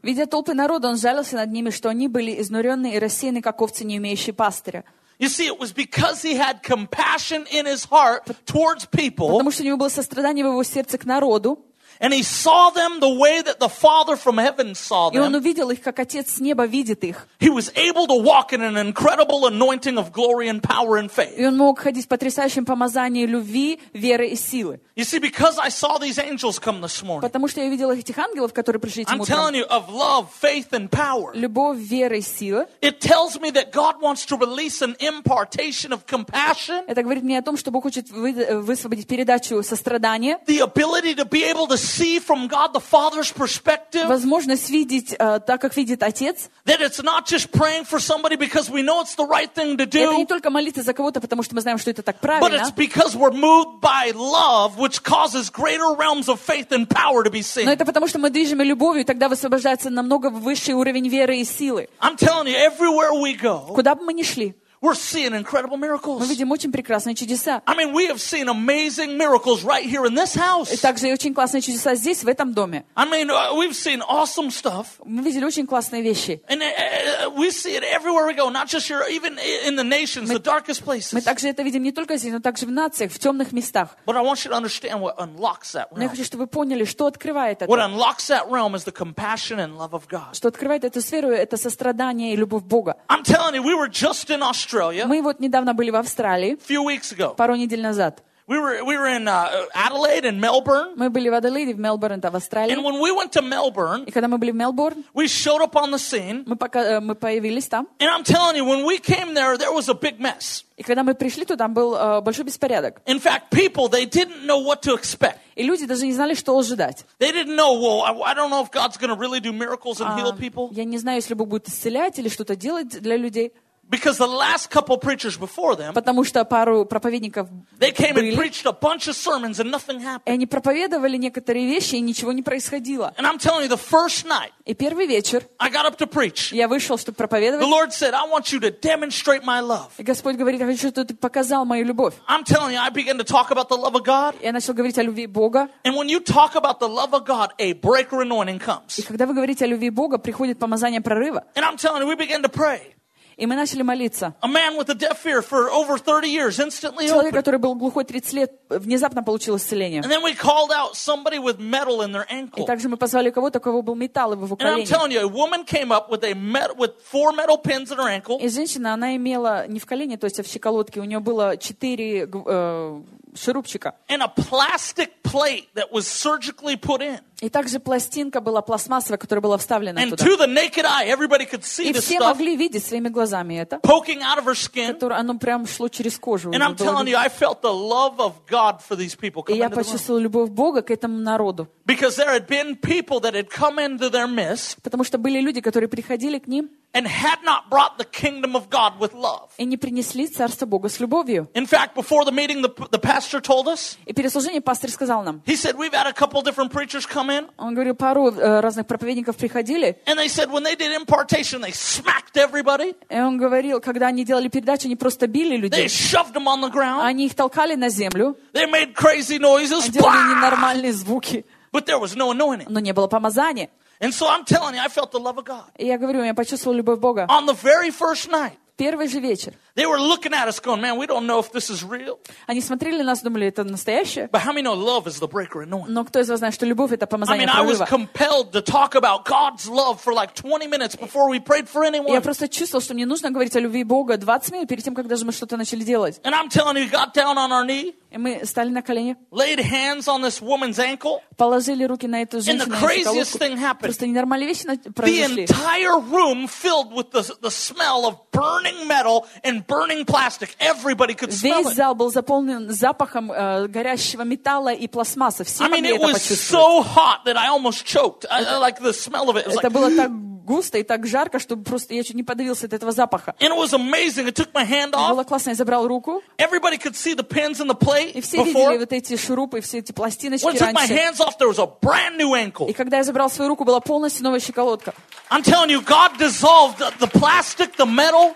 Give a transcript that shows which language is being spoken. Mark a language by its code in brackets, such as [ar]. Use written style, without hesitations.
[ru] Видя толпы народа, он жалился над ними, что они были изнурены и рассеяны, как овцы, не имеющие пастыря. [en] You see, it was because he had compassion in his heart towards people. [ru] Потому что у него было сострадание в его сердце к народу. [en] And he saw them the way that the Father from heaven saw them. [ru] И он увидел их, как отец с неба видит их. [en] He was able to walk in an incredible anointing of glory and power and faith. [ru] И он мог ходить в потрясающем помазании любви, веры и силы. [en] You see, because I saw these angels come this morning. [ru] Потому что я видел этих ангелов, которые пришли этим утром. [en] I'm telling you, of love, faith and power. [ru] Любовь, вера и сила. [en] It tells me that God wants to release an impartation of compassion. [ru] Это говорит мне о том, что Бог хочет высвободить передачу сострадания. [en] The ability to be able to see from God the Father's perspective. [ru] Возможность видеть так, как видит отец. [en] That it's not just praying for somebody because we know it's the right thing to do. [ru] Это не только молиться за кого-то, потому что мы знаем, что это так правильно. [en] But it's because we're moved by love, which causes greater realms of faith and power to be seen. [ru] Но это потому, что мы движимы любовью, и тогда высвобождается намного высший уровень веры и силы. [en] I'm telling you, everywhere we go. [ru] Куда бы мы ни шли. [en] We're seeing incredible miracles. [ru] Мы видим очень прекрасные чудеса. [en] I mean, we have seen amazing miracles right here in this house. [ru] И также очень классные чудеса здесь, в этом доме. [en] I mean, we've seen awesome stuff. [ru] Мы видели очень классные вещи. [en] And we see it everywhere we go, not just here, even in the nations, the darkest places. [ru] Мы также это видим не только здесь, но также в нациях, в темных местах. [en] But I want you to understand what unlocks that realm. [ru] Но я хочу, чтобы вы поняли, что открывает это. [en] What unlocks that realm is the compassion and love of God. [ru] Что открывает эту сферу, это сострадание и любовь Бога. [en] I'm telling you, we were just in Australia. [ru] Мы вот недавно были в Австралии, [en] few weeks ago. [ru] Пару недель назад. [en] We were in Adelaide and Melbourne. [ru] Мы были в Аделаиде, в Мелбурне, в Австралии. [en] And when we went to Melbourne, [ru] и когда мы были в Мелбурн, [en] we showed up on the scene. [ru] Мы появились там. [en] And I'm telling you, when we came there, there was a big mess. [ru] И когда мы пришли туда, там был большой беспорядок. [en] In fact, people, they didn't know what to expect. [ru] И люди даже не знали, что ожидать. [en] They didn't know. Well, I don't know if God's going to really do miracles and heal people. [ru] Я не знаю, если Бог будет исцелять или что-то делать для людей. [en] Because the last couple preachers before them, [ru] потому что пару проповедников [en] they came [ru] были, [en] and preached a bunch of sermons and nothing happened. [ru] И они проповедовали некоторые вещи, и ничего не происходило. [en] And I'm telling you, the first night, [ru] и первый вечер, [en] I got up to preach. [ru] Я вышел, чтобы проповедовать. [en] The Lord said, "I want you to demonstrate my love." [ru] И Господь говорит, я хочу, чтобы ты показал мою любовь. [en] I'm telling you, I began to talk about the love of God. [ru] Я начал говорить о любви Бога. [en] And when you talk about the love of God, a breaker anointing comes. [ru] И когда вы говорите о любви Бога, приходит помазание прорыва. [en] And I'm telling you, we began to pray. [ru] И мы начали молиться. [en] A man with a deaf ear for over 30 years instantly opened. [ru] Человек, который был глухой 30 лет, внезапно получил исцеление. [en] And then we called out somebody with metal in their ankle. [ru] И также мы позвали кого-то, у кого был металл в колене. [en] And I'm telling you, a woman came up with four metal pins in her ankle. [ru] И женщина, она имела не в колене, то есть а в щиколотке, у нее было 4 шурупчика. [en] And a plastic plate that was surgically put in. [ru] И также пластинка была пластмассовая, которая была вставлена [en] and [ru] туда. [en] To the naked eye, everybody could see [ru] и все могли видеть своими глазами это. [en] Poking out of her skin. [ru] Которое, оно прям шло через кожу. [en] And I'm telling you, I felt the love of God for these people coming into the room. [ru] И я почувствовал любовь Бога к этому народу. [en] Because there had been people that had come into their midst. [ru] Потому что были люди, которые приходили к ним. [en] And had not brought the kingdom of God with love. [ru] И не принесли царство Бога с любовью. [en] In fact, before the meeting, the pastor told us. [ru] И перед служением пастор сказал нам. [en] He said we've had a couple different preachers come in. [ru] Он говорил, пару разных проповедников приходили. [en] And they said when they did impartation, they smacked everybody. [ru] И он говорил, когда они делали передачу, они просто били людей. [en] They shoved them on the ground. [ru] Они их толкали на землю. [en] They made crazy noises. [ru] Они делали ненормальные звуки. [en] But there was no anointing. [ru] Но не было помазания. [en] And so I'm telling you, I felt the love of God. [ru] И я говорю, я почувствовал любовь Бога. [en] On the very first night. [ru] Первый же вечер. [en] They were looking at us, going, "Man, we don't know if this is real." [ru] Они смотрели на нас, думали, это настоящее. [en] But how many know love is the breaker anointing? [ru] Но кто из вас знает, что любовь это помазание прорыва? [en] I mean, I was compelled to talk about God's love for like 20 minutes before we prayed for anyone. [ru] Я просто чувствовал, что мне нужно говорить о любви Бога 20 минут перед тем, как даже мы что-то начали делать. [en] And I'm telling you, we got down on our knee. [ru] И мы стали на колени. [en] Laid hands on this woman's ankle. [ru] Положили руки на эту женщину. [en] And the craziest thing happened. [ru] Просто ненормальные вещи произошли. [en] The entire room filled with the smell of burning metal and burning plastic. Everybody could smell it. [ru] Весь зал был заполнен запахом горящего металла и пластмассы. Все могли это почувствовать. [en] I mean, it was so hot that I almost choked. I like the smell of it. [ru] Это было так густо и так жарко, что просто я чуть не подавился от этого запаха. [en] And it was amazing. I took my hand off. [ru] Было классно, я забрал руку. [en] Everybody could see the pins and the plate before. [ru] И все видели вот эти шурупы, все эти пластиночки раньше. [en] When I took my hands off, there was a brand new ankle. [ru] И когда я забрал свою руку, была полностью новая щиколотка. [en] I'm telling you, God dissolved the plastic, the metal.